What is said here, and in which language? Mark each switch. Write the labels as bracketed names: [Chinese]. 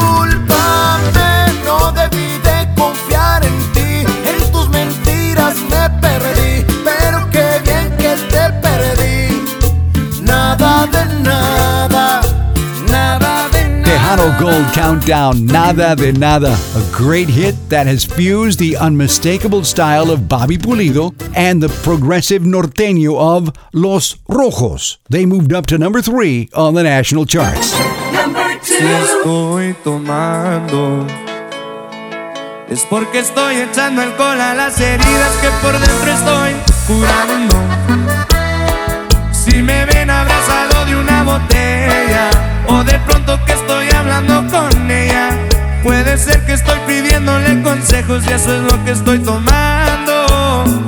[Spanish] Discúlpame, no debí de confiar en ti, en tus mentiras me perdí, pero qué bien que te perdí. Nada de nada, nada de nada. Tejano Gold Countdown, nada de nada. [English] Great hit that has fused the unmistakable style of Bobby Pulido and the progressive norteño of Los Rojos. They moved up to number three on the national charts. Number two. [Spanish] Si estoy tomando es porque estoy echando alcohol a las heridas que por dentro estoy curando. Si me ven abrazado de una botella o de pronto que estoy hablando con ella, puede ser que estoy pidiéndole consejos y eso es lo que estoy tomando.